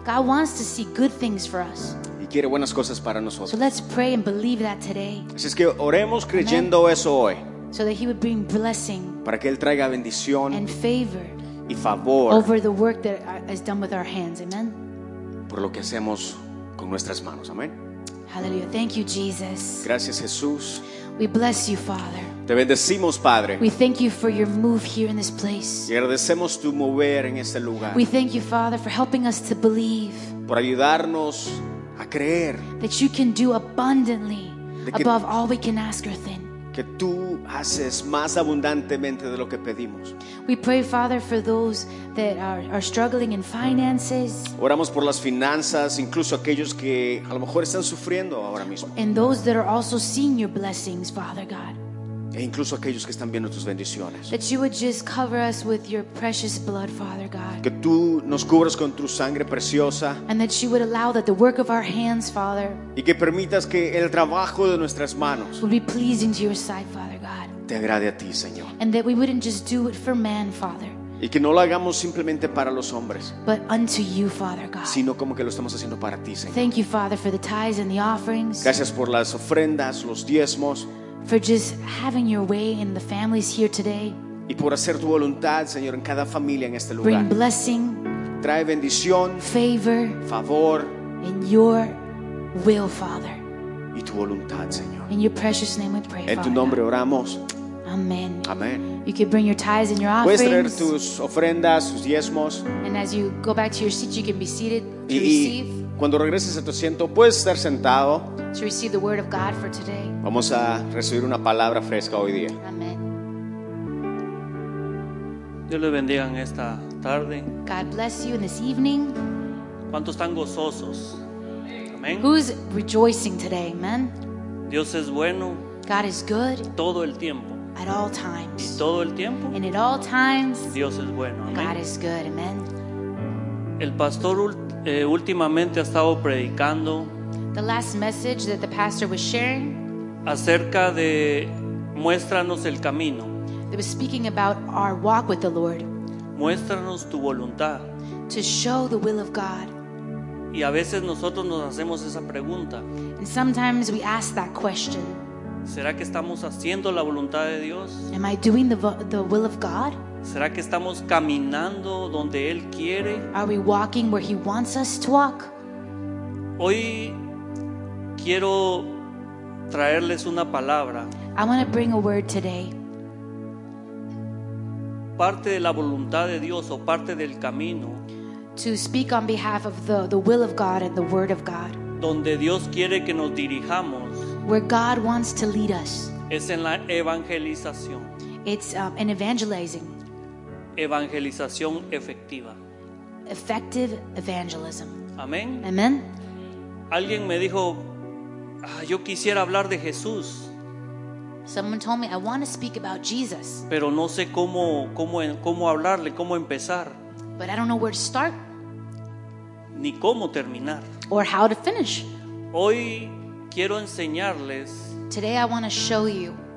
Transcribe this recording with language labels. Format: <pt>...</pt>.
<en>God wants to see good things for us.</en> <es>Y quiere buenas cosas para nosotros.</es> <en>So let's pray and believe that today.</en> <es>Así es que oremos creyendo</es> <en>amen.</en> <es>Eso hoy.</es> <en>So that he would bring blessing</en> <es>para que él traiga bendición</es> <en>and favor</en> <es>y favor</es> <en>over the work that is done with our hands, amen.</en> <es>Por lo que hacemos con nuestras manos, amen.</es> <en>Hallelujah. Thank you, Jesus.</en> <es>Gracias, Jesús.</es> <en>We bless you, Father.</en> <es>Te bendecimos, Padre.</es> <en>We thank you for your move here in this place.</en> <es>Y agradecemos tu mover en este lugar.</es> <en>We thank you, Father, for helping us to believe.</en> <es>Por ayudarnos a creer.</es> <en>That you can do abundantly above all we can ask or think.</en> <es>Que tú haces más abundantemente de lo que pedimos.</es> <en>We pray, Father, for those that are struggling in finances.</en> <es>Oramos por las finanzas, incluso aquellos que a lo mejor están sufriendo ahora mismo.</es> <en>And those that are also seeing your blessings, Father God.</en> <es>E incluso aquellos que están viendo tus bendiciones.</es> <en>That you would just cover us with your precious blood, Father God.</en> <es>Que tú nos cubras con tu sangre preciosa.</es> <en>And that you would allow that the work of our hands, Father.</en> <es>Y que permitas que el trabajo de nuestras manos</es> <en>would be pleasing to your sight, Father God.</en> <es>Te agrade a ti, Señor.</es> <en>And that we wouldn't just do it for man, Father.</en> <es>Y que no lo hagamos simplemente para los hombres.</es> <en>But unto you, Father God.</en> <es>Sino como que lo estamos haciendo para ti, Señor.</es> <en>Thank you, Father, for the tithes and the offerings.</en> <es>Gracias por las ofrendas, los diezmos.</es> <en>For just having your way in the families here today.</en> <es>Y por hacer tu voluntad, Señor, en cada familia en este lugar.</es> <en>Bring blessing.</en> <es>Trae bendición.</es> <en>Favor.</en> <es>Favor.</es> <en>In your will, Father.</en> <es>Y tu voluntad, Señor.</es> <en>In your precious name we pray,</en> <es>en</es> <en>Father.</en> <es>En tu nombre oramos.</es> <en>Amen.</en> <es>Amen.</es> <en>You can bring your tithes and your offerings.</en> <es>Puedes traer tus ofrendas, tus diezmos.</es> <en>And as you go back to your seat, you can be seated to receive.</en> <es>Cuando regreses a tu asiento, puedes estar sentado.</es> <en>To receive the word of God for today.</en> <es>Vamos a recibir una palabra fresca hoy día.</es> <en>Amen.</en> <es>Dios le bendiga en esta tarde.</es> <en>God bless you in this evening.</en> <es>¿Cuántos están gozosos? Amen.</es> <en>Who's rejoicing today? Amen.</en> <es>Dios es bueno.</es> <en>God is good.</en> <es>Todo el tiempo.</es> <en>At all times.</en> <es>Y todo el tiempo.</es> <en>And at all times.</en> <es>Dios es bueno. Amen.</es> <en>God is good. Amen.</en> <es>El pastor últimamente ha estado predicando.</es> <en>The last message that the pastor was sharing.</en> <es>Acerca de muéstranos el camino.</es> <en>It was speaking about our walk with the Lord.</en> <es>Muéstranos tu voluntad.</es> <en>To show the will of God.</en> <es>Y a veces nosotros nos hacemos esa pregunta.</es> <en>And sometimes we ask that question.</en> <es>¿Será que estamos haciendo la voluntad de Dios?</es> <en>Am I doing the will of God?</en> <es>¿Será que estamos caminando donde Él quiere?</es> <en>Are we walking where He wants us to walk?</en> <es>Hoy quiero traerles una palabra.</es> <en>I want to bring a word today.</en> <es>Parte de la voluntad de Dios o parte del camino.</es> <en>To speak on behalf of the will of God and the word of God.</en> <es>Donde Dios quiere que nos dirijamos.</es> <en>Where God wants to lead us.</en> <es>Es en la evangelización.</es> <en>It's an evangelizing.</en> <es>Evangelización efectiva.</es> <en>Effective evangelism.</en> <es>Amén.</es> <en>Amen.</en> <es>Alguien me dijo, yo quisiera hablar de Jesús.</es> <en>Someone told me I want to speak about Jesus.</en> <es>Pero no sé cómo hablarle, cómo empezar.</es> <en>But I don't know where to start.</en> <es>Ni cómo terminar.</es> <en>Or how to finish.</en> <es>Hoy quiero enseñarles.</es> <en>Today I want to show you.</en>